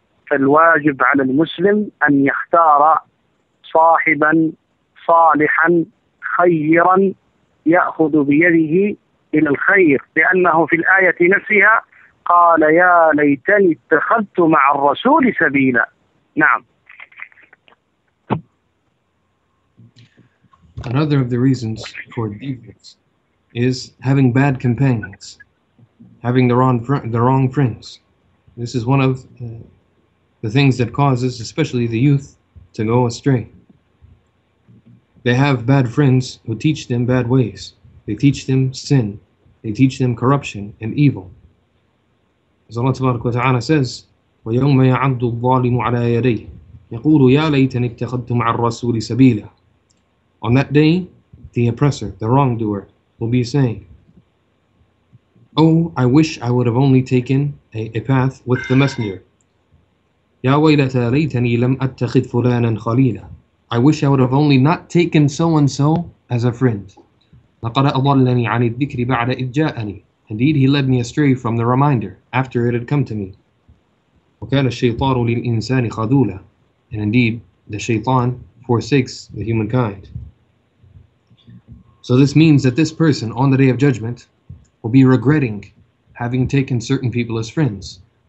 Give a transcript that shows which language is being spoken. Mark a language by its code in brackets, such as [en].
[ar] فالواجب على المسلم أن يختار صاحبا صالحا خيرا يأخذ بيده إلى الخير لأنه في الآية نفسها قال يا ليتني اتخذت مع الرسول سبيلا نعم. [en] Another of the reasons for deviance is having bad companions, having the wrong friends. This is one of the things that causes especially the youth to go astray. They have bad friends who teach them bad ways. They teach them sin. They teach them corruption and evil. As Allah subhanahu wa ta'ala says, [ar] وَيَوْمَ يَعَضُّ الظَّالِمُ عَلَىٰ يَدَيْهِ يَقُولُ يَا لَيْتَنِ اتَّخَذْتُ مَعَ الرَّسُولِ سَبِيلًا. [en] On that day, the oppressor, the wrongdoer, will be saying, oh, I wish I would have only taken a path with the messenger. [ar] يَا وَيْلَتَا لَيْتَنِي لَمْ أَتَّخِذْ فُلَانًا خَلِيلًا. [en] I wish I would have only not taken so-and-so as a friend. [ar] لَقَدَ أَضَلَّنِي عَنِ الذِّكْرِ بَعْدَ إِذْ جَاءَنِي. [en] Indeed, he led me astray from the reminder after it had come to me. [ar] وَكَانَ الشَّيْطَارُ لِلْإِنسَانِ خَذُولًا. [en] And indeed, the shaitan forsakes the humankind. So this means that this person on the Day of Judgment will be regretting having taken certain people as friends.